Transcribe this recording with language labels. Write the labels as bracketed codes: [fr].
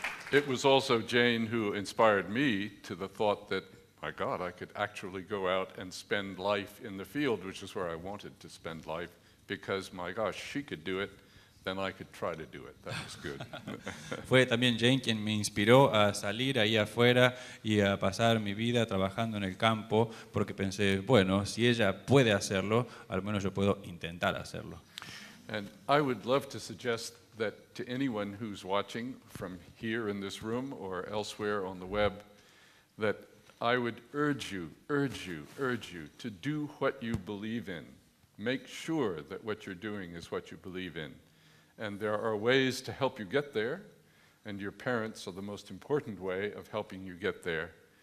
[en] It was also Jane who inspired me to the thought that, my God, I could actually go out and spend life in the field, which is where I wanted to spend life, because, my gosh, she could do it, then I could try to do it. That was good. [es] Fue también Jane quien me inspiró a salir ahí afuera y a pasar mi vida trabajando en el campo, porque pensé, bueno, si ella puede hacerlo, al menos yo puedo intentar hacerlo. [en] And I would love to suggest that to anyone who's watching from here in this room or elsewhere on the web, that I would urge you to do what you believe in. Make sure that what you're doing is what you believe in. And there are ways to help you get there, and your parents are the most important way of helping you get there.